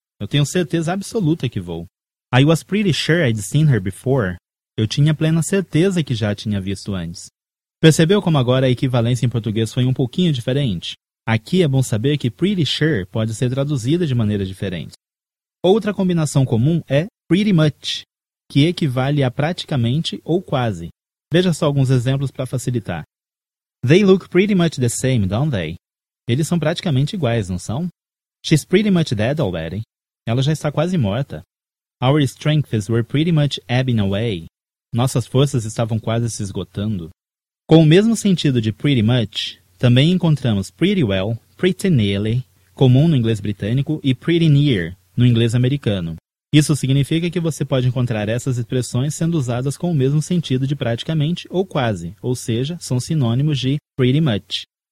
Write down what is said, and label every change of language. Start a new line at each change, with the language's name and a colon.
Portuguese: Eu tenho certeza absoluta que vou.
English: I was pretty sure I'd seen her before.
Portuguese: Eu tinha plena certeza que já tinha visto antes. Percebeu como agora a equivalência em português foi um pouquinho diferente? Aqui é bom saber que pretty sure pode ser traduzida de maneira diferente. Outra combinação comum é pretty much, que equivale a praticamente ou quase. Veja só alguns exemplos para facilitar.
English: They look pretty much the same, don't they?
Portuguese: Eles são praticamente iguais, não são?
English: She's pretty much dead already.
Portuguese: Ela já está quase morta.
English: Our strengths were pretty much ebbing away.
Portuguese: Nossas forças estavam quase se esgotando. Com o mesmo sentido de pretty much, também encontramos pretty well, pretty nearly, comum no inglês britânico, e pretty near, no inglês americano. Isso significa que você pode encontrar essas expressões sendo usadas com o mesmo sentido de praticamente ou quase, ou seja, são sinônimos de pretty much.